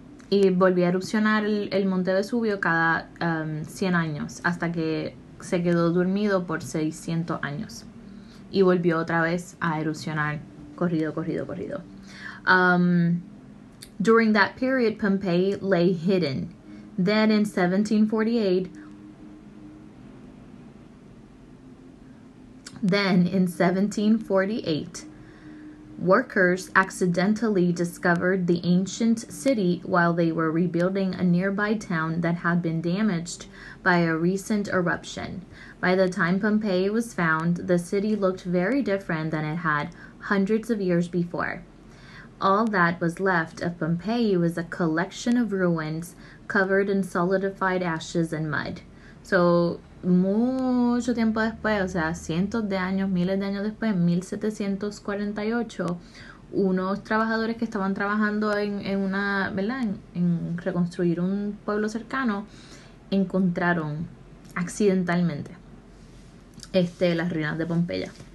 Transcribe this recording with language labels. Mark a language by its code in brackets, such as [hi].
[es] Y volvió a erupcionar el monte Vesubio cada 100 años, hasta que se quedó dormido por 600 años. Y volvió otra vez a erupcionar, corrido, corrido, corrido. [en] During that period, Pompeii lay hidden. Then in 1748, workers accidentally discovered the ancient city while they were rebuilding a nearby town that had been damaged by a recent eruption. By the time Pompeii was found, the city looked very different than it had hundreds of years before. All that was left of Pompeii was a collection of ruins covered in solidified ashes and mud. [es] So, mucho tiempo después, o sea, cientos de años, miles de años después, en 1748, unos trabajadores que estaban trabajando en una, ¿verdad?, en reconstruir un pueblo cercano, encontraron accidentalmente las ruinas de Pompeya.